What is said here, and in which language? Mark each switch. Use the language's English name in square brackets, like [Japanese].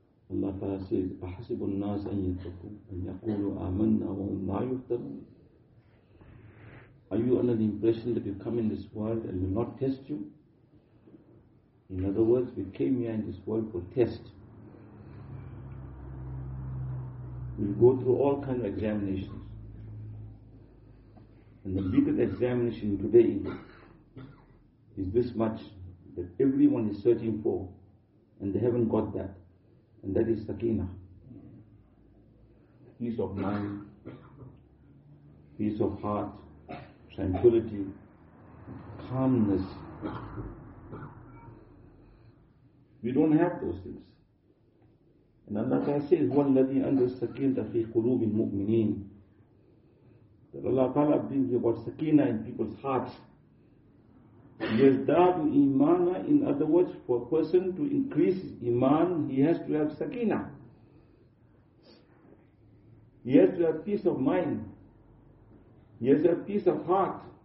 [Arabic] الله تعالى سيد أحسب الناس أن يقولوا آمنا وهم لا يفتنون. [English] Are you under the impression that you come in this world and will not test you? In other words, we came here in this world for test. We go through all kinds of examinations. And the biggest examination today is this much, that everyone is searching for, and they haven't got that, and that is Sakinah. Peace of mind, peace of heart, tranquility, calmness. We don't have those things. And Allah says, [Arabic] وَالَّذِي أَنْزَلَ السَّكِينَةَ فِي قُلُوبِ الْمُؤْمِنِينَ. [English] That Allah Ta'ala brings about sakina in people's hearts. Yazdadu imana, in other words, for a person to increase iman, he has to have sakina. He has to have peace of mind. He has to have peace of heart.